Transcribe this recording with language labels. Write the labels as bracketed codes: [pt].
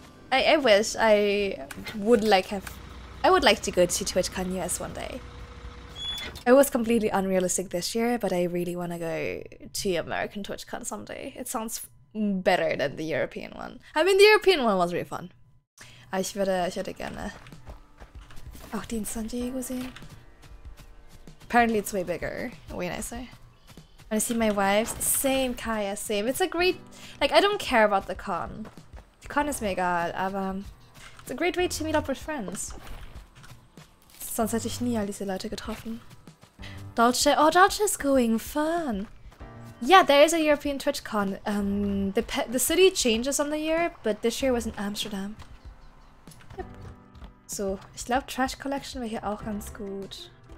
[en] I wish I would like have... I would like to go to TwitchCon US one day. It was completely unrealistic this year, but I really want to go to American TwitchCon someday. It sounds better than the European one. I mean, the European one was really fun. [de] Ich würde gerne auch den San Diego sehen. [en] Apparently it's way bigger, way nicer. Wanna see my wives? Same, Kaya, same. It's a great... Like, I don't care about the con. The con is mega, aber... It's a great way to meet up with friends. [de] Sonst hätte ich nie all diese Leute getroffen. [en] Dolce, oh, Dolce is going fun. Yeah, there is a European TwitchCon. The city changes on the year, but this year was in Amsterdam. Yep. [de] So, ich glaube Trash Collection wäre hier auch ganz gut.